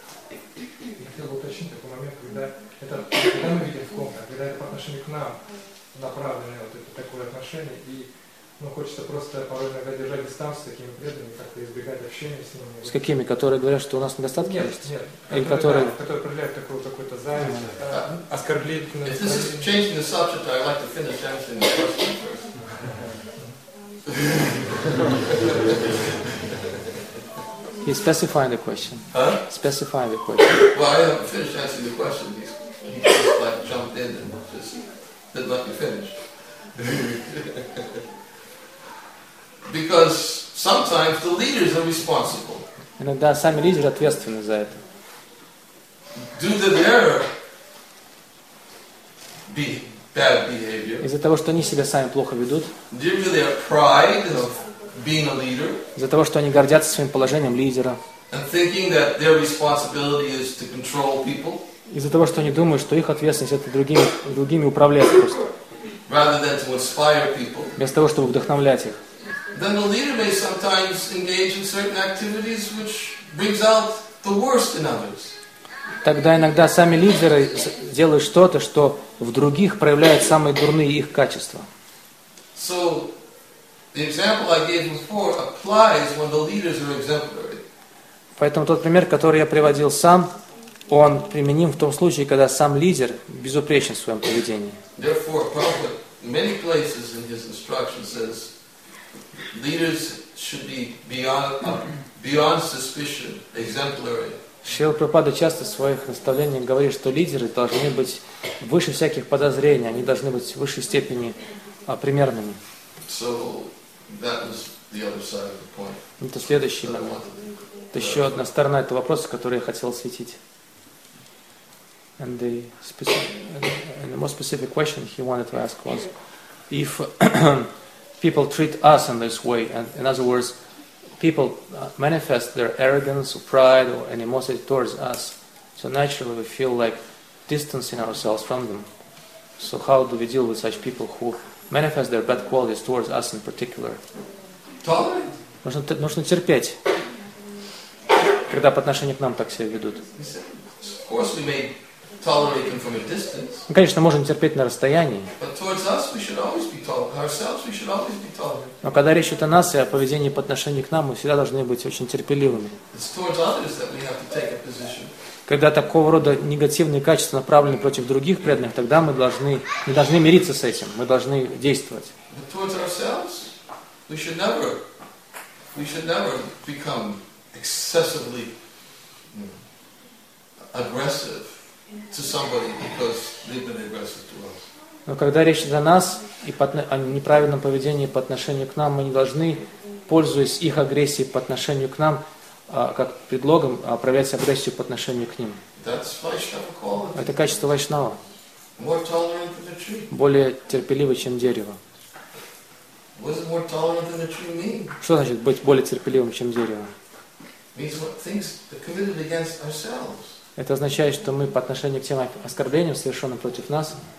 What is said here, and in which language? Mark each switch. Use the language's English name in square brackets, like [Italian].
[Russian] Я хотел бы уточнить такой момент, когда мы видим в ком-то, когда это по отношению к нам направленное вот это такое отношение, и хочется просто порой иногда держать дистанцию с такими преданными, как-то избегать общения с ними. С какими? Которые говорят, что у нас недостатки нет, есть? Нет, нет. Которые, да, которые проявляют такую какую-то зависть, оскорбительность. [English] If this is changing the subject, I'd like to finish answering the question first. He's specifying the question. Huh? Specifying the question. Well, I haven't finished answering the question. He just jumped in and just didn't let me finish. Because sometimes the leaders are responsible. [Russian] Иногда сами лидеры ответственны за это. [English] Due to their bad behavior. [Russian] Из-за того, что они себя сами плохо ведут. [English] Due to their pride of being a leader. [Russian] Из-за того, что они гордятся своим положением лидера. [English] And thinking that their responsibility is to control people. [Russian] Из-за того, что они думают, что их ответственность это другими управлять просто. [English] Rather than to inspire people. [Russian] Вместо того, чтобы вдохновлять их. [English] Then the leader may sometimes engage in certain activities, which brings out the worst in others. [Russian] Тогда иногда сами лидеры делают что-то, что в других проявляет самые дурные их качества. [English] So the example I gave before applies when the leaders are exemplary. [Russian] Поэтому тот пример, который я приводил сам, он применим в том случае, когда сам лидер безупречен в своем поведении. [English] Therefore, Prabhupada in many places in his instructions says. Leaders should be beyond suspicion, exemplary. [Russian] Шрила Прабхупада часто в своих наставлениях говорит, что лидеры должны быть выше всяких подозрений, они должны быть в высшей степени примерными. [English] So that was the other side of the point. [Russian] Это следующий момент. Это еще одна сторона этого вопроса, который я хотел осветить. [English] And the most specific question he wanted to ask was, if people treat us in this way, and in other words, people manifest their arrogance or pride or animosity towards us, so naturally we feel like distancing ourselves from them. So how do we deal with such people who manifest their bad qualities towards us in particular? Tolerate. [Russian] Нужно терпеть, когда по отношению к нам так себя ведут. [English] Of course we may tolerate them from a distance. [Russian] Мы, конечно, можем терпеть на расстоянии. [English] But towards us we should always be tolerant. Ourselves we should always be tolerant. [Russian] Но когда речь идет о нас и о поведении по отношению к нам, мы всегда должны быть очень терпеливыми. [English] It's towards others that we have to take a position. [Russian] Когда такого рода негативные качества направлены против других преданных, тогда мы не должны мириться с этим. Мы должны действовать. [English] But towards ourselves we should never become excessively aggressive. To somebody because they've been aggressive to us. [Russian] Но когда речь идет о нас и о неправильном поведении по отношению к нам, мы не должны, пользуясь их агрессией по отношению к нам, как предлогом, проявлять агрессию по отношению к ним. [English] That's Vaishnava quality. [Russian] Это качество вайшнава. [English] More tolerant than a tree. [Russian] Более терпеливый, чем дерево. [English] What does more tolerant than a tree mean? [Russian] Что значит быть более терпеливым, чем дерево? [English] Means what things are committed against ourselves. [Russian] Это означает, что мы по отношению к тем оскорблениям, совершенным против нас,